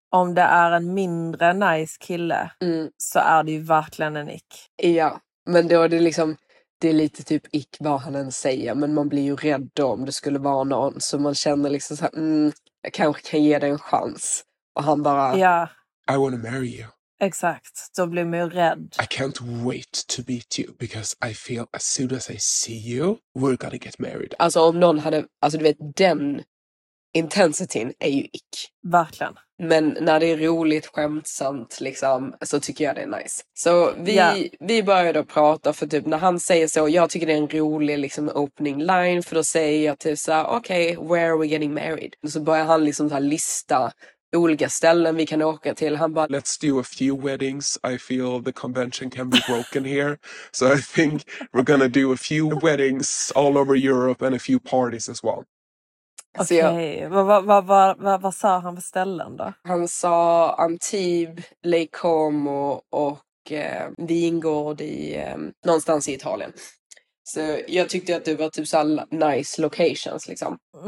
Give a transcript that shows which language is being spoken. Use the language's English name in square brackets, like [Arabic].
[Swedish] Om det är en mindre nice kille så är det ju verkligen en ick. Ja, men då är det liksom, det är lite typ ick vad han än säger. Men man blir ju rädd om det skulle vara någon. Så man känner liksom så här, jag kanske kan ge dig en chans. Och han bara, [English] I want to marry you. [Swedish] Exakt, då blir man ju rädd. [English] I can't wait to meet you because I feel as soon as I see you, we're gonna get married. [Swedish] Alltså om någon hade, alltså du vet, den intensityn är ju ick. Verkligen. Men när det är roligt, skämtsamt liksom, så tycker jag det är nice. Så vi började prata, för typ när han säger så, jag tycker det är en rolig liksom opening line, för då säger jag typ så här, [English] okay, where are we getting married? [Swedish] Och så börjar han liksom så här lista olika ställen vi kan åka till. Han bara, [English] let's do a few weddings. I feel the convention can be broken here. So I think we're gonna do a few weddings all over Europe and a few parties as well. [Swedish] Okej, vad sa han för ställen då? Han sa Antibes, Lake Como och vingård i någonstans i Italien. Så jag tyckte att det var typ så nice locations liksom.